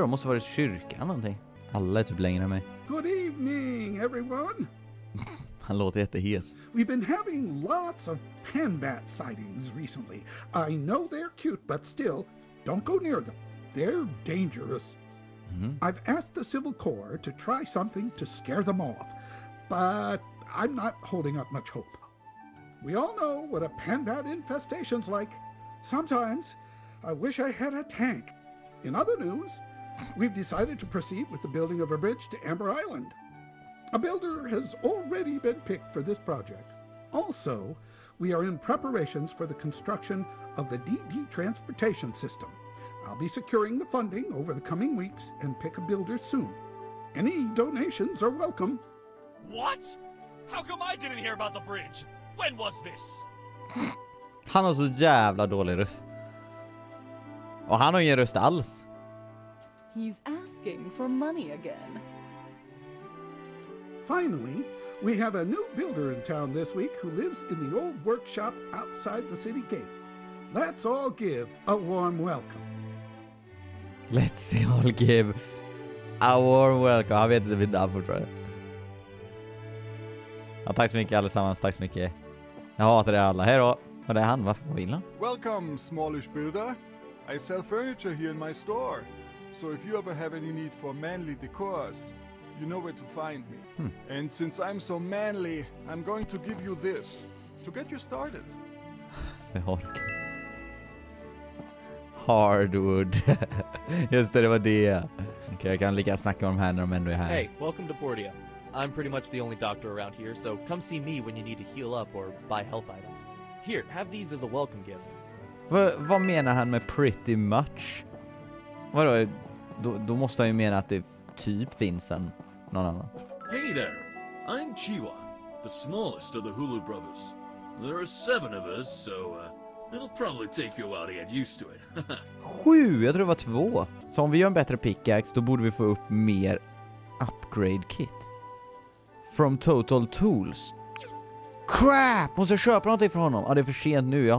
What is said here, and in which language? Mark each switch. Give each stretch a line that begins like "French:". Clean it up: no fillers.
Swedish: De måste vara i kyrkan någonting. Alla är typ längre än mig.
English: Good evening, everyone!
Swedish: Han låter jättehes.
English: We've been having lots of panbat sightings recently. I know they're cute, but still, don't go near them. They're dangerous. Mm-hmm. I've asked the Civil Corps to try something to scare them off, but I'm not holding up much hope. We all know what a panbat infestation's like. Sometimes, I wish I had a tank. In other news, we've decided to proceed with the building of a bridge to Amber Island. A builder has already been picked for this project. Also, we are in preparations for the construction of the DD transportation system. I'll be securing the funding over the coming weeks and pick a builder soon. Any donations are welcome. What? How come I didn't hear about the bridge? When was this?
Swedish: Han har så jävla dålig röst. Och han har ingen röst alls.
English: He's asking for money again. Finally, we have a new builder in town this week who lives in the old workshop outside the city gate. Let's all give a warm welcome. Let's see all give a warm welcome.
Swedish: Jag vet inte vid namn fortfarande. Ja, tack så mycket allesammans, tack så mycket. Jag hatar er alla, hej då. Men det är han, varför vill han?
English: Welcome, smallish builder. I sell furniture here in my store. So if you ever have any need for manly decors, you know where to find me. Hmm. And since I'm so manly, I'm going to give you this to get you started.
Swedish: Hardwood. Just det, det var det. Okej, jag kan lika snacka om de här när de ändå är här.
English: Hey, welcome to Portia. I'm pretty much the only doctor around here, so come see me when you need to heal up or buy health items. Here, have these as a welcome gift.
Swedish: Vad menar han med
English: pretty much?
Swedish: Vadå? Då måste han ju mena att det typ finns en någon annan.
English: Hey there, I'm Chiwa, the smallest of the Hulu brothers. There are 7 of us, so it'll probably take you a while to get used to it.
Swedish: 7? Jag tror det var 2. Så om vi gör en bättre pickaxe, då borde vi få upp mer upgrade kit.
English: From Total Tools. Crap!
Swedish: Måste jag köpa någonting för honom? Ja, det är för sent nu.